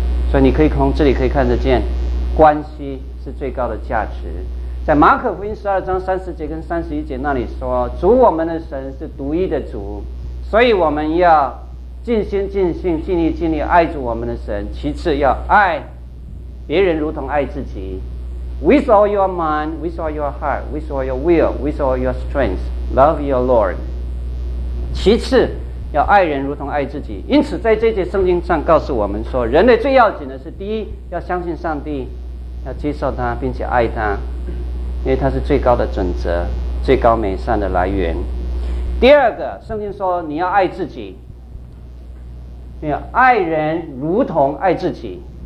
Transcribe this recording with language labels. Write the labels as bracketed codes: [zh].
[zh] 所以你可以从这里可以看得见，关系是最高的价值。在马可福音12章30节跟31节那里说，主我们的神是独一的主，所以我们要尽心尽性尽力尽力爱主我们的神，其次要爱别人如同爱自己。 [en] With all your mind, with all your heart, with all your will, with all your strength, love your Lord. [zh] 其次，要爱人如同爱自己。因此，在这节圣经上告诉我们说，人类最要紧的是：第一，要相信上帝，要接受他，并且爱他，因为他是最高的准则，最高美善的来源。第二个，圣经说你要爱自己，要爱人如同爱自己。